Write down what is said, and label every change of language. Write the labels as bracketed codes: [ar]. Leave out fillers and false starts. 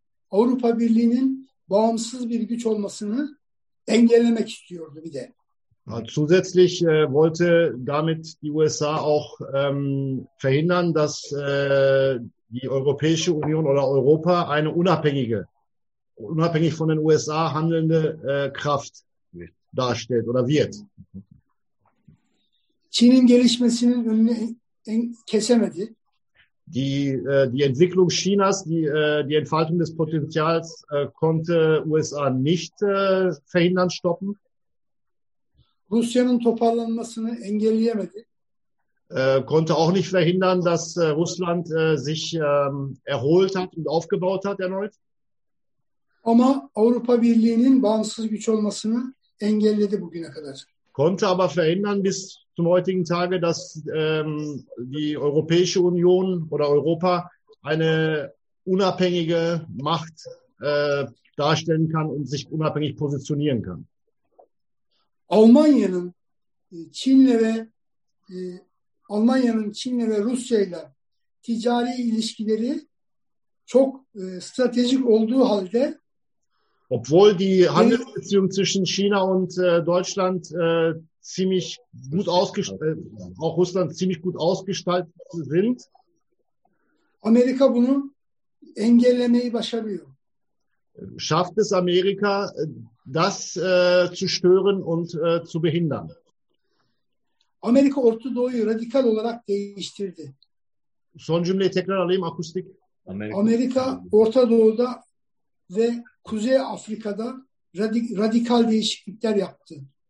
[tr] Avrupa Birliği'nin bağımsız bir güç olmasını engellemek istiyordu bir de. [de] Zusätzlich wollte damit die USA auch verhindern, dass die Europäische Union oder Europa eine unabhängig von den USA handelnde Kraft darstellt oder wird. [tr] Çin'in gelişmesinin önünü kesemedi. [de] Die Entwicklung Chinas, die Entfaltung des Potenzials konnte USA nicht verhindern, stoppen. [tr] Rusya'nın toparlanmasını engelleyemedi. [de] Konnte auch nicht verhindern, dass Russland sich erholt hat und aufgebaut hat erneut. [tr] Ama Avrupa Birliği'nin bağımsız güç olmasını engelledi bugüne kadar. [de] Konnte aber verhindern bis zum heutigen Tage, dass die Europäische Union oder Europa eine unabhängige Macht darstellen kann und sich unabhängig positionieren kann. [tr] Almanya'nın Çin'le ve Rusya'yla ticari ilişkileri çok stratejik olduğu halde, [de] obwohl die Handelsbeziehung zwischen China und Deutschland ziemlich gut auch Russland ziemlich gut ausgestaltet sind, [tr] Amerika bunu engellemeyi başarıyor. [de] Schafft es Amerika, das zu stören und zu behindern? [tr] Amerika Orta Doğu'yu radikal olarak değiştirdi. Son cümleyi tekrar alayım, akustik. Amerika Orta Doğu'da ve Kuzey Afrika'da radikal değişiklikler yaptı.